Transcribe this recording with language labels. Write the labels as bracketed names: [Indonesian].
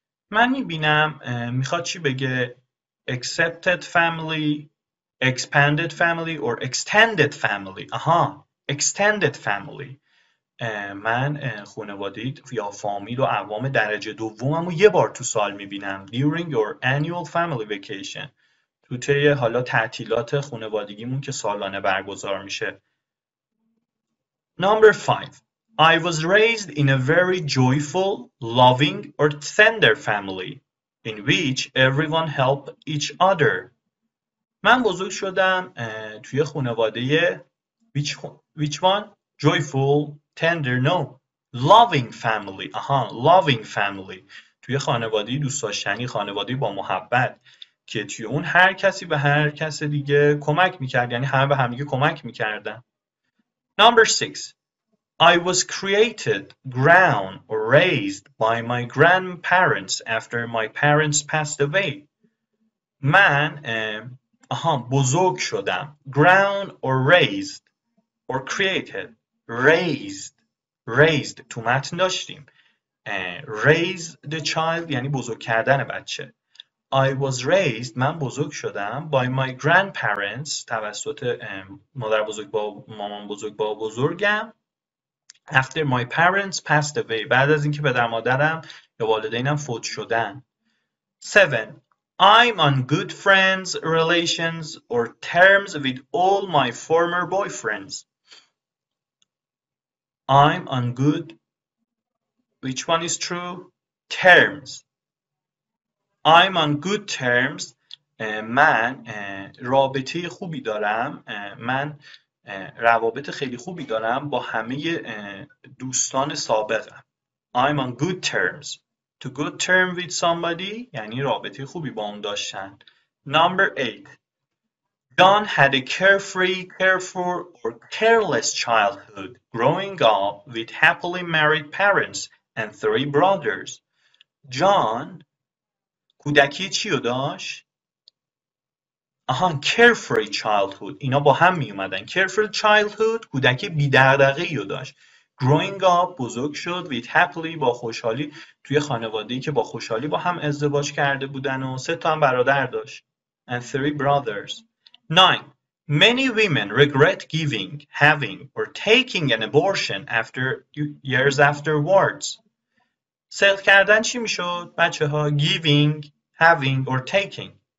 [Persian] من میبینم، میخواد چی بگه؟ [English] accepted family، expanded family or extended family. آها، extended family. [Persian] من خانواده یا فامیل و اقوام درجه دومم رو یه بار تو سال میبینم، [English] during your annual family vacation، [Persian] تو ته حالا تعطیلات خانوادگیمون که سالانه برگزار میشه. [English] Number five. I was raised in a very joyful, loving or tender family in which everyone helped each other. [Persian] من بزرگ شدم توی خانواده [English] Which one? Joyful, tender, no. Loving family. Loving family. [Persian] توی خانواده دوست داشتنی، خانواده با محبت که توی اون هر کسی به هر کس دیگه کمک میکرد، یعنی همه به همدیگه کمک میکردن. [English] Number six. I was created, grown, or raised by my grandparents after my parents passed away. [Persian] من بزرگ شدم. [English] Grown or raised or created. [Persian] Raised. تو متن داشتیم. [English] Raise the child [Persian] یعنی بزرگ کردن بچه. [English] I was raised. [Persian] من بزرگ شدم. [English] By my grandparents. [Persian] توسط مادر بزرگ با مامان بزرگ با بزرگم. [English] After my parents passed away. [Persian] بعد از اینکه پدر مادرم یا والدینم فوت شدن. [English] 7. I'm on good friends, relations, or terms with all my former boyfriends. I'm on good. Which one is true? Terms. I'm on good terms. [Persian] من رابطه خوبی دارم. من روابط خیلی خوبی دارم با همه دوستان سابقم. [English] I'm on good terms. To good term with somebody [Persian] یعنی رابطه خوبی با اون داشتن. [English] Number 8. John had a carefree, careful, or careless childhood, growing up with happily married parents and three brothers. [Persian] John کودکی چی رو داشت؟ [English] carefree childhood. [Persian] اینا با هم می اومدن. [English] Careful childhood [Persian] کودک بی دغدغه‌ای رو داشت. [English] Growing up [Persian] بزرگ شد [English] with happily [Persian] با خوشحالی توی خانواده‌ای که با خوشحالی با هم ازدواج کرده بودن و سه تا هم برادر داشت. [English] And three brothers. 9. Many women regret giving, having, or taking an abortion after years afterwards. [Persian] سقط کردن چی میشد؟ بچه ها [English] giving, having, or taking.